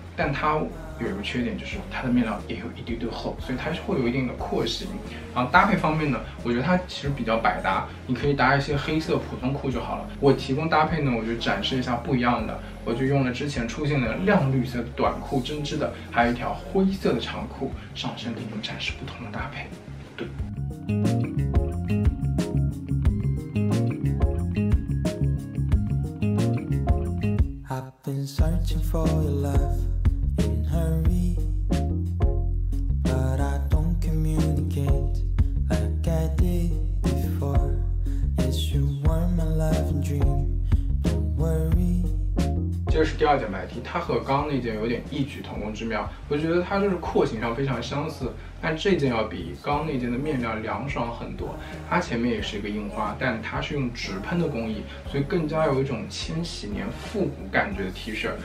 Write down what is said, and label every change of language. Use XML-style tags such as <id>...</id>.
<zh>但它有一个缺点，就是它的面料也有一丢丢厚，所以它是会有一定的廓形。然后搭配方面呢，我觉得它其实比较百搭，你可以搭一些黑色普通裤就好了。我提供搭配呢，我就展示一下不一样的，我就用了之前出现的亮绿色短裤针织的，还有一条灰色的长裤，上身给你们展示不同的搭配。</zh> <en>对，searching for your love in hurry, but I don't communicate like I did before. Yes, you were my love and dream. Don't worry.</en> <zh>这是第二件白 T， 它和刚那件有点异曲同工之妙。我觉得它就是廓形上非常相似，但这件要比刚那件的面料凉爽很多。它前面也是一个印花，但它是用直喷的工艺，所以更加有一种千禧年复古感觉的 T 恤。</zh>